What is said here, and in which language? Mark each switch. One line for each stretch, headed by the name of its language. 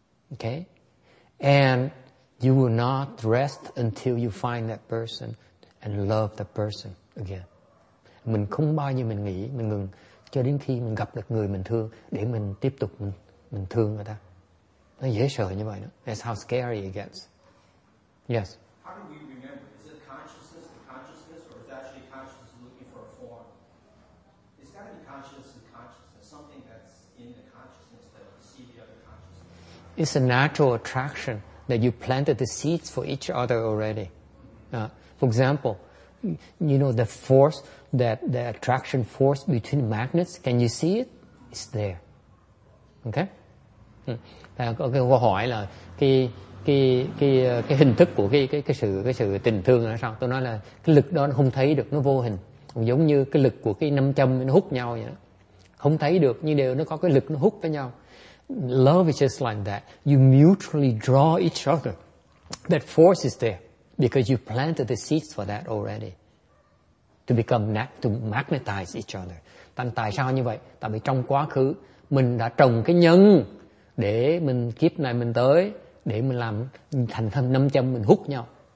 English: Okay, and you will not rest until you find that person and love that person again.
Vietnamese: Mình không bao giờ mình nghỉ, mình ngừng cho đến khi mình gặp được người mình thương để mình tiếp tục mình thương người ta. Nó dễ sợ như vậy đó.
English: That's how scary it gets. Yes. How do we remember? Is it consciousness and consciousness, or is it actually consciousness looking for a form? It's got to be consciousness and consciousness, something that's in the consciousness that you see the other consciousness. It's a natural attraction that you planted the seeds for each other already. For example, you know the force, that the attraction force between magnets, can you see it? It's there. Okay?
Vietnamese: Có cái câu hỏi là cái hình thức của cái sự tình thương là sao? Tôi nói là cái lực đó nó không thấy được, nó vô hình. Giống như cái lực của cái nam châm nó hút nhau vậy đó. Không thấy được, nhưng đều nó có cái lực nó hút với nhau.
English: Love is just like that. You mutually draw each other. That force is there because you planted the seeds for that already. To magnetize each other.
Vietnamese: Tại sao như vậy? Tại vì trong quá khứ, mình đã trồng cái nhân để mình kiếp này mình tới để mình làm thành thân năm châm, mình hút nhau.